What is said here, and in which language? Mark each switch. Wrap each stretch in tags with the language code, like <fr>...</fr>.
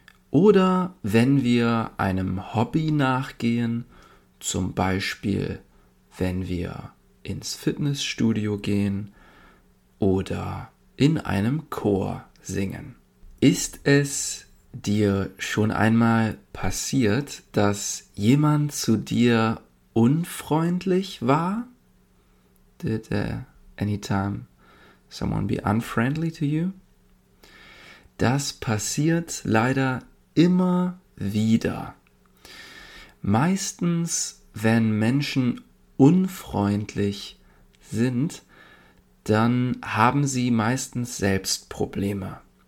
<de>Oder wenn wir einem Hobby nachgehen, zum Beispiel wenn wir ins Fitnessstudio gehen oder in einem Chor singen. Ist es dir schon einmal passiert, dass jemand zu dir unfreundlich war?</de> <en>Did anytime someone be unfriendly to you?</en> <de>Das passiert leider immer wieder. Meistens, wenn Menschen unfreundlich sind, dann haben sie meistens selbst Probleme.</de>